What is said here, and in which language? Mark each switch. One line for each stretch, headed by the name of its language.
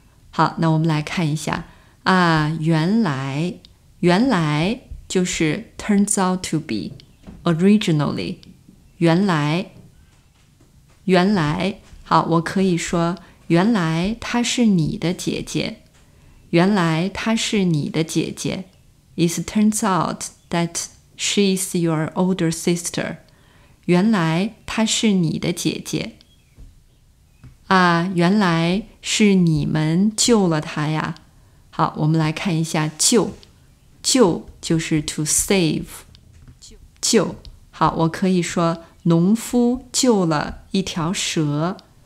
Chinese: 好，那我们来看一下。啊，原来，原来就是
English: turns out to be originally，
Chinese: 原来，原来。好，我可以说原来她是你的姐姐。原来她是你的姐姐。
English: It turns out that she is your older sister.
Chinese: 原来她是你的姐姐。啊，原来是你们救了她呀。好，我们来看一下救。救就是
English: to save。
Chinese: 救。好，我可以说农夫救了一条蛇。